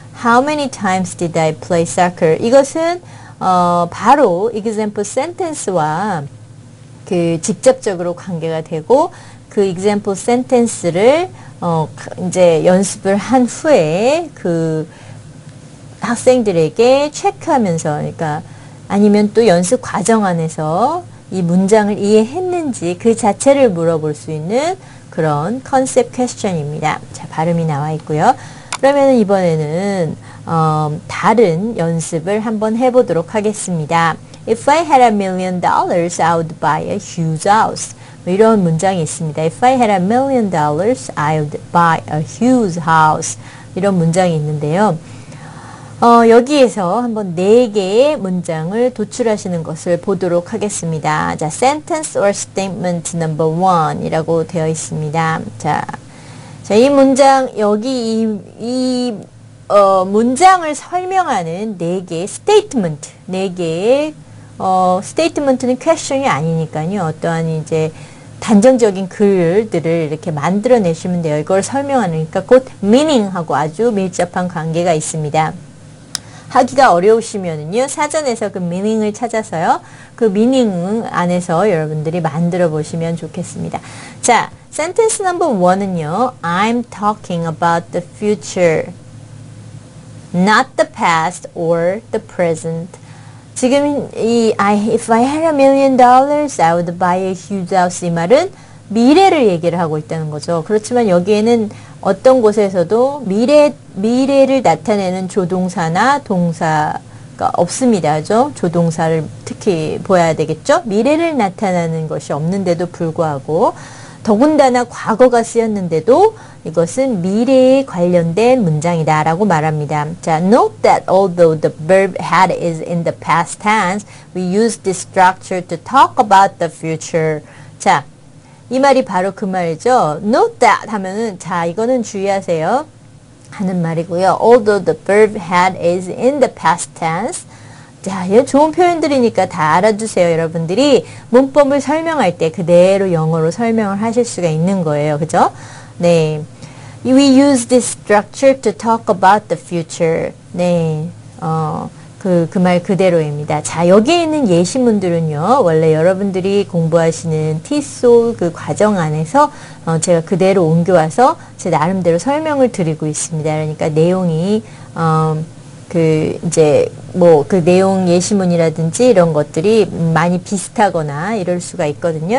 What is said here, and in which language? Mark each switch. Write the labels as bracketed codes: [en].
[en] How many times did I play soccer? [ko] 이것은 바로 example sentence와 그 직접적으로 관계가 되고 그 example sentence를 이제 연습을 한 후에 그 학생들에게 체크하면서 그러니까 아니면 또 연습 과정 안에서 이 문장을 이해했는지 그 자체를 물어볼 수 있는 그런 컨셉 퀘스천입니다. 자, 발음이 나와 있고요. 그러면 이번에는 다른 연습을 한번 해보도록 하겠습니다. [en] If I had $1,000,000, I would buy a huge house. [ko] 뭐 이런 문장이 있습니다. [en] If I had $1,000,000, I would buy a huge house. [ko] 이런 문장이 있는데요. 여기에서 한번 네 개의 문장을 도출하시는 것을 보도록 하겠습니다. [en] 자, sentence or statement number one [ko] 이라고 되어 있습니다. 자, 이 문장, 여기 이 문장을 설명하는 네 개의 statement, 네 개의, statement는 question이 아니니까요. 어떠한 이제 단정적인 글들을 이렇게 만들어내시면 돼요. 이걸 설명하니까 곧 meaning하고 아주 밀접한 관계가 있습니다. 하기가 어려우시면은요, 사전에서 그 미닝을 찾아서요, 그 미닝 안에서 여러분들이 만들어 보시면 좋겠습니다. [en] 자, [ko] sentence number one은요, [en] I'm talking about the future, not the past or the present. [ko] 지금 [en] if I had $1,000,000, I would buy a huge house. [ko] 이 말은 미래를 얘기를 하고 있다는 거죠. 그렇지만 여기에는 어떤 곳에서도 미래를 나타내는 조동사나 동사가 없습니다. 그죠? 조동사를 특히 보아야 되겠죠? 미래를 나타내는 것이 없는데도 불구하고 더군다나 과거가 쓰였는데도 이것은 미래에 관련된 문장이다 라고 말합니다. [en] 자, note that although the verb had is in the past tense, we use this structure to talk about the future. [ko] 자, 이 말이 바로 그 말이죠. note that 하면은, 자, 이거는 주의하세요 하는 말이고요. [en] although the verb had is in the past tense, [ko] 자, 얘 좋은 표현들이니까 다 알아주세요. 여러분들이 문법을 설명할 때 그대로 영어로 설명을 하실 수가 있는 거예요. 그죠? 네. [en] We use this structure to talk about the future. [ko] 네. 그 말 그대로입니다. 자, 여기에 있는 예시문들은요. 원래 여러분들이 공부하시는 TESOL 그 과정 안에서 제가 그대로 옮겨와서 제 나름대로 설명을 드리고 있습니다. 그러니까 내용이 그 내용 예시문이라든지 이런 것들이 많이 비슷하거나 이럴 수가 있거든요.